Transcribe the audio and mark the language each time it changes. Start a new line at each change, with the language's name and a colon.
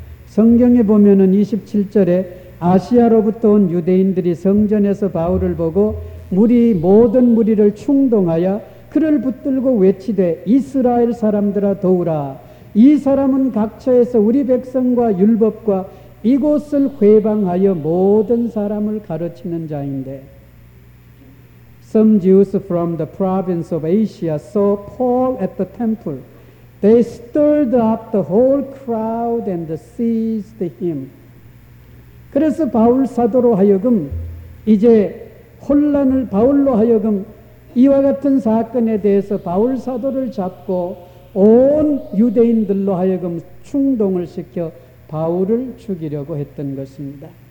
Korean: 성경에 보면은 27절에 아시아로부터 온 유대인들이 성전에서 바울을 보고 무리 모든 무리를 충동하여 그를 붙들고 외치되 이스라엘 사람들아 도우라. 이 사람은 각처에서 우리 백성과 율법과 이곳을 회방하여 모든 사람을 가르치는 자인데.
English: Some Jews from the province of Asia saw Paul at the temple. They stirred up the whole crowd and seized him.
Korean: 그래서 바울 사도로 하여금 이제 혼란을 바울로 하여금 이와 같은 사건에 대해서 바울 사도를 잡고 온 유대인들로 하여금 충동을 시켜 바울을 죽이려고 했던 것입니다.